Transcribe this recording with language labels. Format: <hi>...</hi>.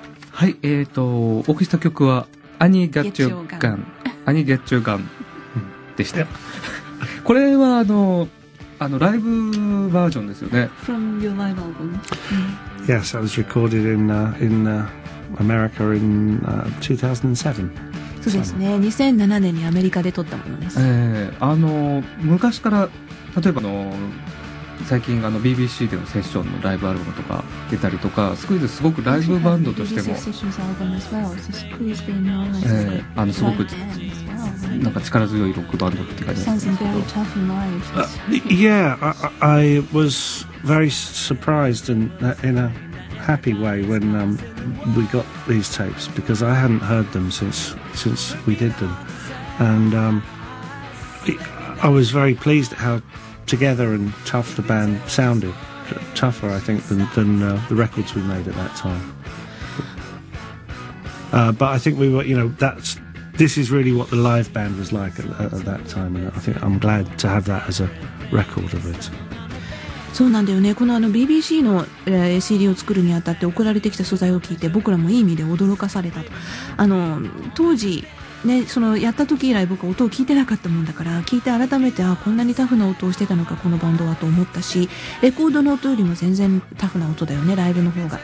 <ja>はい、お送りした曲はアニガチョガン、アニガチョガンでした。これはあのライブバージョンですよね。</ja> <en>From your live album. Yes, I was recorded in America in 2007.</en> <ja>そうですね。 2007年にアメリカで撮ったものです。昔から例えばの最近あの BBC でのセッションのライブアルバムとか出たりとか、スクイズすごくライブバンドとしてもすごくなんか力強いロックバンドって感じですね。</ja> <en>Yeah, I was very surprised in a happy way when we got these tapes because I hadn't heard them since we did them and I was very pleased at howTogether and tough the band sounded tougher, I think, than the records we made at that time. But I think we were, you know, this is really what the live band was like at that time, and I think I'm glad to have that as a record of it.</en> <ja>そうなんだよね。このあの BBC の CD を作るにあたって送られてきた素材を聞いて僕らもいい意味で驚かされたと。あの当時ね、そのやった時以来僕は音を聞いてなかったもんだから、聞いて改めて、あ、こんなにタフな音をしてたのかこのバンドはと思ったし、レコードの音よりも全然タフな音だよね、ライブの方が。</ja>